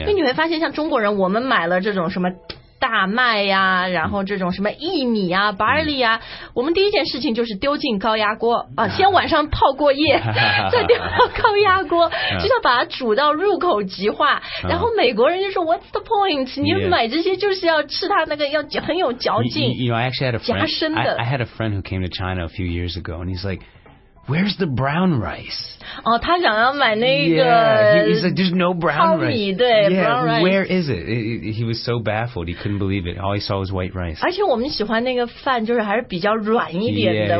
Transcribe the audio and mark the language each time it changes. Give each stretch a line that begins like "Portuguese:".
Chinese: 因为你会发现像中国人我们买了这种什么大麦呀、啊、然后这种什么薏米啊 barley 啊、我们第一件事情就是丢进高压锅、先晚上泡过夜再丢到高压锅就像把它煮到入口即化然后美国人就说
English: What's the point?
Chinese: 你买这些就是要吃它那个要很有嚼劲
English: you know, I actually had a friend,
Chinese: 夹生的
English: I had a friend who came to China a few years ago and he's like,Where's the brown rice?
Chinese: Oh, 他想要买那个
English: Yeah, he's like, there's no brown rice.
Chinese: 糙米对
English: yeah, brown rice. Where is it? He was so baffled, he couldn't believe it. All he saw was white rice.
Chinese: 而且我们喜欢那个饭就是还是比较软一点的